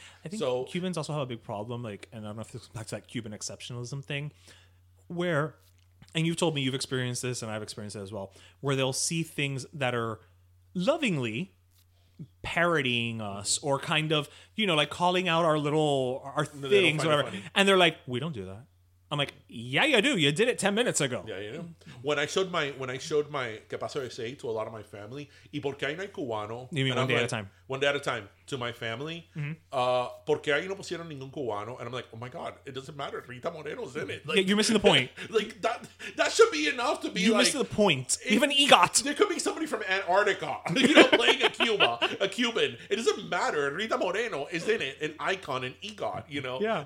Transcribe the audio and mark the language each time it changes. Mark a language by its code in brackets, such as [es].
[en] I think Cubans also have a big problem, like, and I don't know if this comes back to that Cuban exceptionalism thing, where, and you've told me you've experienced this, and I've experienced it as well, where they'll see things that are lovingly parodying us, or kind of, you know, like calling out our things, or whatever. And they're like, we don't do that. I'm like, yeah, you do. You did it 10 minutes ago. Yeah, you do. When I showed my Que Pasa USA to a lot of my family, [es] y por qué no hay cubano? [en] You mean one day at a time. One day at a time to my family. [es] ¿Por qué ahí no pusieron ningún cubano? [en] And I'm like, oh my God, it doesn't matter. Rita Moreno's in it. Like, yeah, you're missing the point. Like, that should be enough to be you like... You missed the point. Even EGOT. There could be somebody from Antarctica, you know, playing a Cuban. It doesn't matter. Rita Moreno is in it, an icon, an EGOT, you know? Yeah.